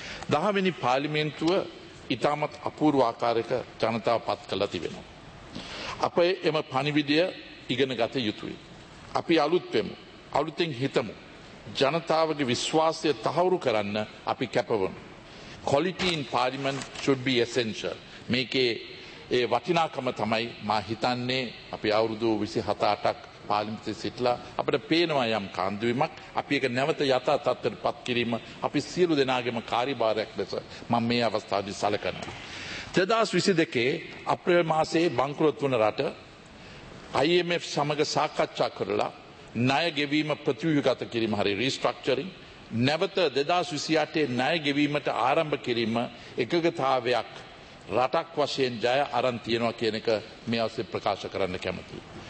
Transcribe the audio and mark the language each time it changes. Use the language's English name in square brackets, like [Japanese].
[Sinhala] 10 වෙනි පාර්ලිමේන්තුව ඉතාමත් අපූර්ව ආකාරයක ජනතාව පත් කළ තිබෙනවා. අපේ එම පණිවිඩය ඉගෙන ගත යුතුයි. අපි අලුත් වෙමු, අලුතෙන් හිතමු, ජනතාවගේ විශ්වාසය තහවුරු කරන්න අපි කැපවමු. [English] Quality in parliament should be essential. [Sinhala] මේකේ ඒ වටිනාකම තමයි මා හිතන්නේ අපි අවුරුදු 27-28ක් පාර්ලිමේන්තුවේ සිටලා අපිට පේනවා යම් කාන්දුවීමක්. අපි ඒක නැවත යථා තත්ත්වයට පත් කිරීම අපි සියලු දෙනාගේම කාර්යභාරයක් ලෙස මම මේ අවස්ථාවේදී සලකනවා. 2022 අප්‍රේල් මාසයේ බංකරොත් වුණ රට IMF සමග සාකච්ඡා කරලා ණය ගෙවීම ප්‍රතිව්‍යුහගත කිරීම හරි රීස්ට්‍රක්චරින් නැවත 2028 ණය ගෙවීමට ආරම්භ කිරීම එකගතාවයක් රටක් වශයෙන් ජය අරන් තියනවා කියන එක මේ අවස්ථාවේ ප්‍රකාශ කරන්න කැමතියි.